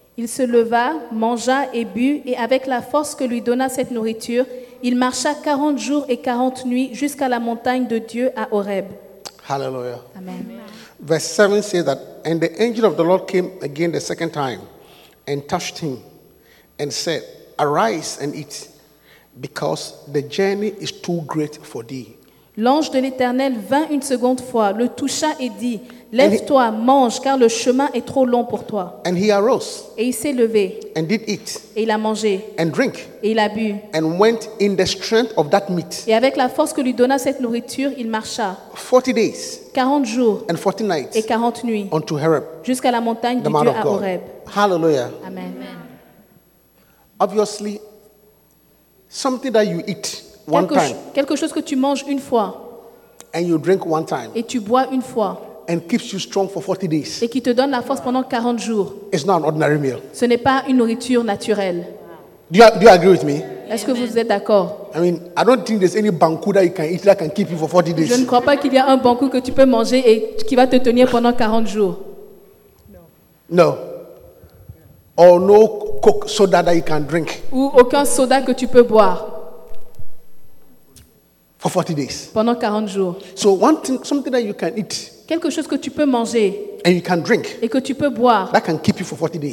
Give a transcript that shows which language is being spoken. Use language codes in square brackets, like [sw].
[fr] Il se leva, mangea et but, et avec la force que lui donna cette nourriture, il marcha 40 jours et 40 nuits jusqu'à la montagne de Dieu à Horeb. Hallelujah. Amen. [en] Verse 7 says that, and the angel of the Lord came again the second time and touched him and said, arise and eat, because the journey is too great for thee. [fr] L'ange de l'Éternel vint une seconde fois, le toucha et dit, lève-toi, mange, car le chemin est trop long pour toi. [en] And he arose. [fr] Et il s'est levé. [en] And did eat. [fr] Et il a mangé. [en] And drink. [fr] Et il a bu. [en] And went in the strength of that meat. [fr] Et avec la force que lui donna cette nourriture, il marcha. [en] 40 days. [fr] 40 jours. [en] And 40 nights. [fr] Et 40 nuits. [en] Unto Horeb. [fr] Jusqu'à la montagne du Dieu à Horeb. Hallelujah. Amen. [en] Obviously, something that you eat one time. [fr] Quelque chose que tu manges une fois. [en] And you drink one time. [fr] Et tu bois une fois. [en] And keeps you strong for 40 days. [fr] Et qui te donne la force pendant 40 jours. [en] It's not an ordinary meal. [fr] Ce n'est pas une nourriture naturelle. [en] Do you agree with me? [fr] Est-ce que vous êtes d'accord? [en] I mean, I don't think there's any banku that you can eat that can keep you for 40 days. [fr] Je ne crois pas qu'il y a un banku que tu peux manger et qui va te tenir pendant 40 jours. [en] No. No. Or no Coke soda that you can drink. [fr] Ou aucun soda que tu peux boire. [en] For 40 days. [fr] Pendant 40 jours. [en] So one thing, something that you can eat. [fr] Quelque chose que tu peux manger [en] and you can drink, [fr] et que tu peux boire [en] that can keep you for 40 days.